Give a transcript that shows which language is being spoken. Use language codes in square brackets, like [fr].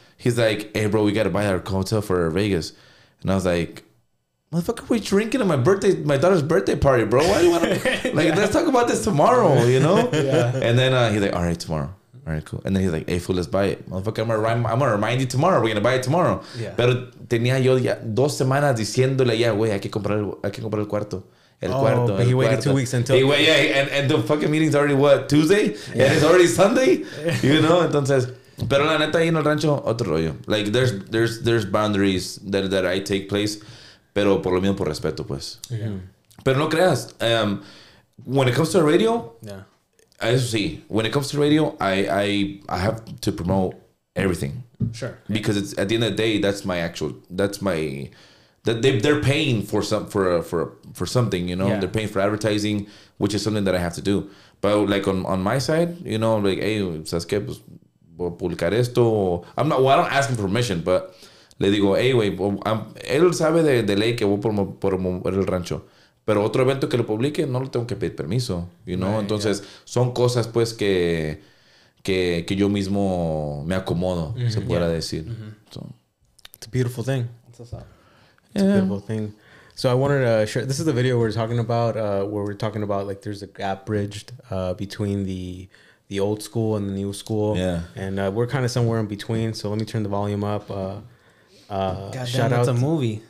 [en] He's like, hey, bro, we gotta buy our hotel for Vegas, and I was like. Motherfucker, we drinking at my daughter's birthday party, bro. Why do you want to, like, yeah. let's talk about this tomorrow, you know? Yeah. And then he's like, all right, tomorrow. All right, cool. And then he's like, hey, fool, let's buy it. Motherfucker, I'm gonna remind you tomorrow. We're gonna buy it tomorrow. Yeah. [es] Pero tenía yo ya dos semanas diciéndole ya, güey, hay que comprar el cuarto. [en] But he waited 2 weeks until. He went, yeah, and the fucking meeting's already what, Tuesday? Yeah. And it's already Sunday? You know? Entonces. [es] Pero la neta, ahí en el rancho, otro rollo. [en] Like, there's boundaries that I take place. [es] Pero por lo mismo, por respeto, pues. [en] Yeah. [es] Pero no creas. [en] When it comes to the radio, yeah. [es] Eso sí. [en] When it comes to radio, I have to promote everything. Sure. Because it's at the end of the day, they're paying for something, you know. Yeah. They're paying for advertising, which is something that I have to do. But like on my side, you know, like, hey, [es] ¿sabes qué? Pues, voy a publicar esto. [en] I'm not. Well, I don't ask him permission, but. [es] Le digo, hey, güey, él sabe de ley que voy por mover el rancho. Pero otro evento que lo publique, no lo tengo que pedir permiso, [en] you know? [es] Right, entonces, yeah. son cosas, pues, que yo mismo me acomodo, mm-hmm, se pudiera yeah. decir. Mm-hmm. So. [en] It's a beautiful thing. It's yeah. a beautiful thing. So I wanted to share, this is the video we're talking about, where we're talking about, like, there's a gap bridged between the old school and the new school. Yeah. And we're kind of somewhere in between, so let me turn the volume up. God shout damn, out that's a movie.